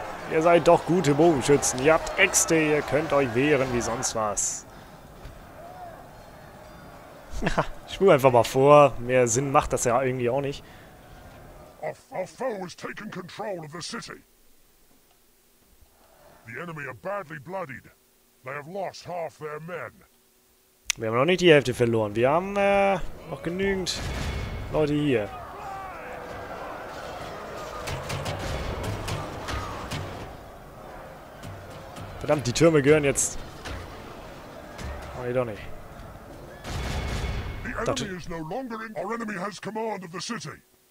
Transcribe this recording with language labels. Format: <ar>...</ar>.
<de>Ihr seid doch gute Bogenschützen. Ihr habt Äxte, ihr könnt euch wehren wie sonst was. Ich spule einfach mal vor. Mehr Sinn macht das ja irgendwie auch nicht.</de> <en>Our foe has taken control of the city. The enemy are badly bloodied. They have lost half their men.</en> <de>Wir haben noch nicht die Hälfte verloren. Wir haben noch genügend Leute hier. Verdammt, die Türme gehören jetzt. Oh, nee, doch nicht.</de> <en>The enemy is no longer in. Our enemy has command of the city.</en>